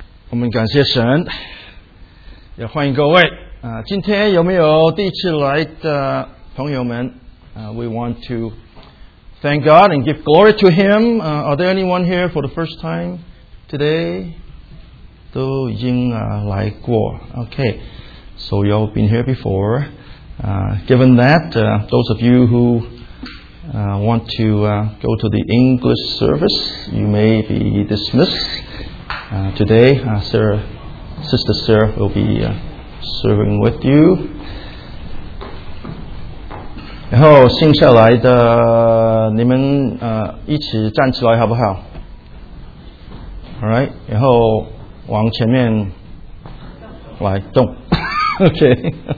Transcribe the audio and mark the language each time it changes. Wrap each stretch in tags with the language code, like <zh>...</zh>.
<zh>我们感谢神，也欢迎各位。今天有没有第一次来的朋友们？</zh> <en>We want to thank God and give glory to Him. Are there anyone here for the first time today?</en> <zh>都已经来过。</zh> <en>Okay, so you've been here before. Given that, those of you who want to go to the English service, you may be dismissed. Today, Sister Sarah will be serving with you.</en> <zh>然后剩下来的你们一起站起来好不好？</zh> <en>All right.</en> <zh>然后往前面来动。OK.</zh>